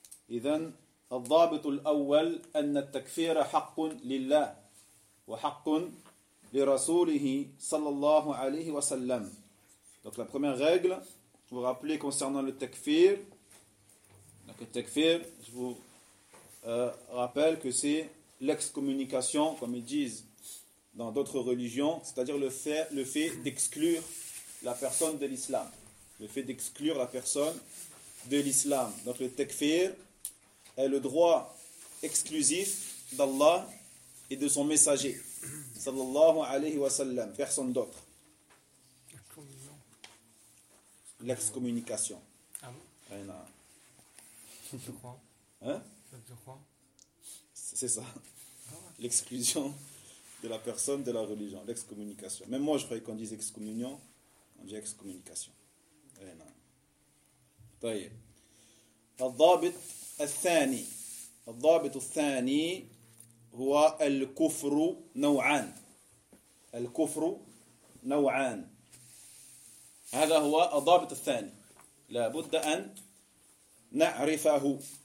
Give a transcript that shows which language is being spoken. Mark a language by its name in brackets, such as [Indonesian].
[Arabic] إذن الضابط الأول أن التكفير حق لله وحق لرسوله صلى الله عليه وسلم. [French] Donc la première règle, vous rappelez concernant le takfir. Donc le takfir, je vous rappelle que c'est l'excommunication, comme ils disent dans d'autres religions, c'est-à-dire le fait d'exclure la personne de l'islam. Le fait d'exclure la personne de l'islam. Donc le takfir est le droit exclusif d'Allah et de son messager, sallallahu alayhi wa sallam, personne d'autre. L'excommunication. Ah bon? Rien à... Je crois. C'est ça. L'exclusion de la personne de la religion, l'excommunication. Même moi, je croyais qu'on dise excommunion, on dit excommunication. Rien à... [Arabic] طيب الضابط الثاني، الضابط الثاني هو الكفر نوعان. الكفر نوعان، هذا هو الضابط الثاني لابد أن نعرفه.